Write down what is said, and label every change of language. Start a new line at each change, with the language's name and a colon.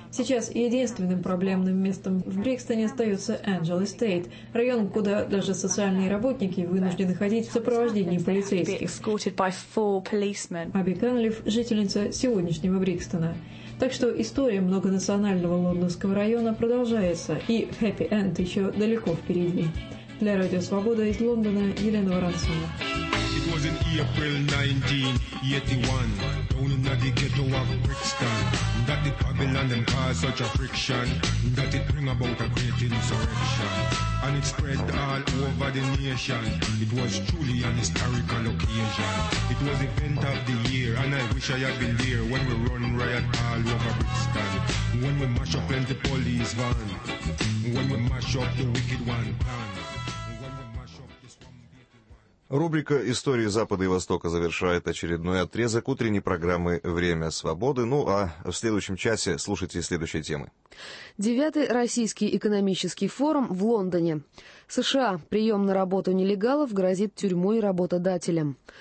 Russian: Сейчас единственным проблемным местом в Брикстоне остается Angel Estate, район, куда даже социальные работники вынуждены ходить в сопровождении полицейских. Аби Канлиф – жительница сегодняшнего Брикстона. Так что история многонационального лондонского района продолжается, и хэппи-энд еще далеко впереди. Для «Радио Свобода» из Лондона Елена Воронцова.
English: It was in April 1981, down in the ghetto of Brixton, that the Babylon them caused such a friction, that it bring about a great insurrection, and it spread all over the nation. It was truly an historical occasion. It was the event of the year, and I wish I had been there when we run riot all over Brixton, when we mash up the police van, when we mash up the wicked one plan.
Russian: Рубрика «Истории Запада и Востока» завершает очередной отрезок утренней программы «Время свободы». Ну а в следующем часе слушайте следующие темы. 9-й российский экономический форум в Лондоне. США. Прием на работу нелегалов грозит тюрьмой работодателям.